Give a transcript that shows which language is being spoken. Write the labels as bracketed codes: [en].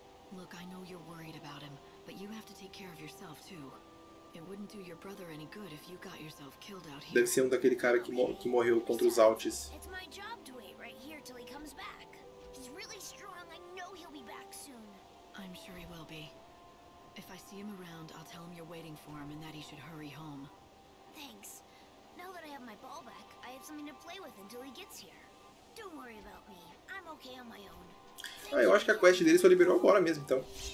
[en] Look, I know you're worried about him, but you have to take care of yourself too. It wouldn't do your brother any good if you got yourself killed out here. [pt] Deve ser um daquele cara que morreu contra os Altis. [en] It's my job to wait right here till he comes back. He's really strong. I know he'll be back soon. I'm sure he will be. If I see him around, I'll tell him you're waiting for him and that he should hurry home. Thanks. Now that I have my ball back, I have something to play with until he gets here. Don't worry about me. I'm okay on my own. [pt] Ah, eu acho que a quest dele só liberou agora mesmo, então.